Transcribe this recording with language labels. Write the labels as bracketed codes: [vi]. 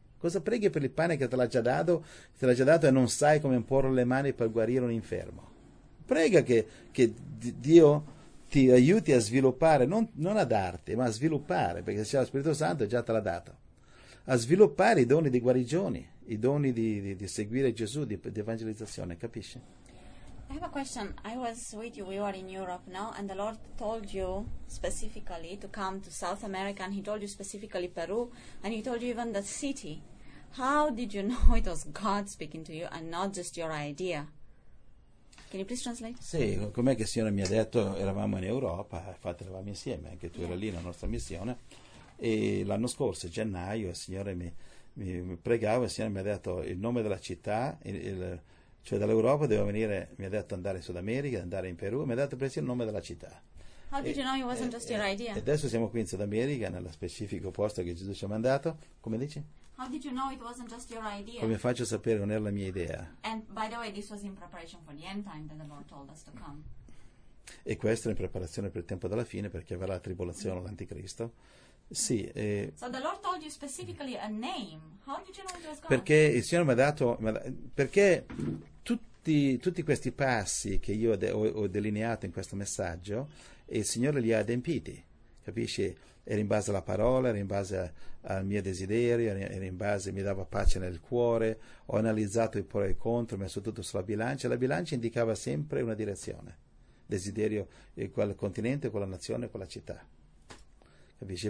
[it] Cosa preghi per il pane che te l'ha già dato e non sai come imporre le mani per guarire un infermo? Prega che Dio ti aiuti a sviluppare, non a darti, ma a sviluppare, perché se c'è lo Spirito Santo già te l'ha dato, a sviluppare i doni di guarigioni, i doni di seguire Gesù, di evangelizzazione, capisci? [en] I have a question. I was with you, we were in Europe, no? And the Lord told you specifically to come to South America, and He told you specifically Peru, and He told you even the city. How did you know it was God speaking to you and not just your idea? Can you please translate? [it] Sì, com'è che il Signore mi ha detto, eravamo in Europa, infatti eravamo insieme, anche tu eri lì nella nostra missione, e l'anno scorso, gennaio, il Signore mi pregava, il Signore mi ha detto il nome della città, cioè dall'Europa devo venire, mi ha detto andare in Sud America, andare in Perù, mi ha detto persino il nome della città. [en] How did you know it wasn't just your [it] E [en] idea? [it] adesso siamo qui in Sud America, nello specifico posto che Gesù ci ha mandato, come dici? [en] How did you know it wasn't just your idea? [it] Come faccio a sapere non era la mia idea? [en] And by the way, this was in preparation for the end time that the Lord told us to come. [it] E questo in preparazione per il tempo della fine, perché avrà la tribolazione, l'anticristo. Sì, [en] So the Lord told you specifically a name. How did you know it was God? [it] perché il Signore mi ha dato, perché tutti questi passi che io ho delineato in questo messaggio, e il Signore li ha adempiti, capisci? Era in base alla parola, era in base al mio desiderio, era in base, mi dava pace nel cuore, ho analizzato i pro e i contro, ho messo tutto sulla bilancia, la bilancia indicava sempre una direzione, desiderio in quel continente, quella nazione, quella città. Capisci?